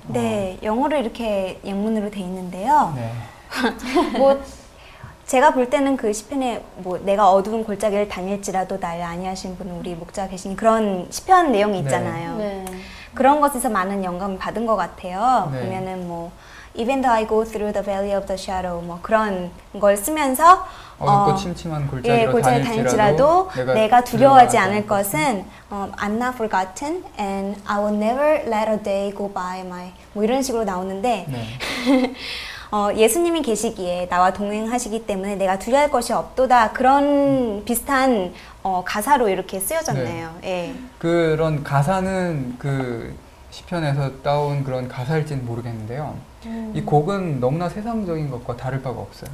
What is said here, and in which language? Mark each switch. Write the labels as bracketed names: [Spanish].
[Korean] 네, 영어로 이렇게 영문으로 돼 있는데요. 네. 뭐 제가 볼 때는 그 시편에 뭐 내가 어두운 골짜기를 다닐지라도 나를 아니하신 분은 우리 목자 계신 그런 시편 내용이 있잖아요. 네. 네. 그런 것에서 많은 영감을 받은 것 같아요. 네. 보면은 뭐 [English] Even though I go through the valley of the shadow, [Korean] 뭐 그런 걸 쓰면서 어둡고 침침한 골짜기를 다닐지라도 내가 두려워하지 않을 것은 [English] I'm not forgotten and I will never let a day go by my [Korean] 뭐 이런 식으로 나오는데 네. 예수님이 계시기에 나와 동행하시기 때문에 내가 두려워할 것이 없도다 그런 비슷한 가사로 이렇게 쓰여졌네요. 네. 예. 그런 가사는 그 시편에서 따온 그런 가사일지는 모르겠는데요. 이 곡은 너무나 세상적인 것과 다를 바가 없어요.